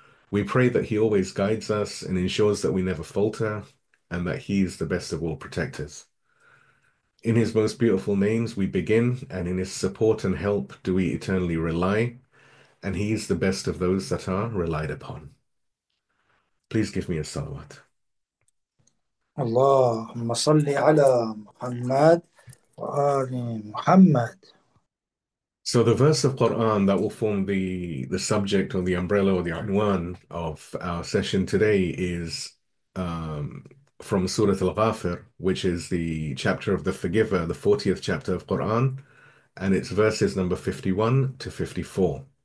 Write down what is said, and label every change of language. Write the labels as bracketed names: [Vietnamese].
[English] We pray that he always guides us and ensures that we never falter, and that he is the best of all protectors. In his most beautiful names we begin, and in his support and help do we eternally rely, and he is the best of those that are relied upon. Please give me a salawat. [Arabic] اللهم صل على محمد وآل محمد. [English] So the verse of Quran that will form the subject or the umbrella or the unwan of our session today is from Surah Al-Ghafir, which is the chapter of the Forgiver, the 40th chapter of Quran, and it's verses number 51 to 54.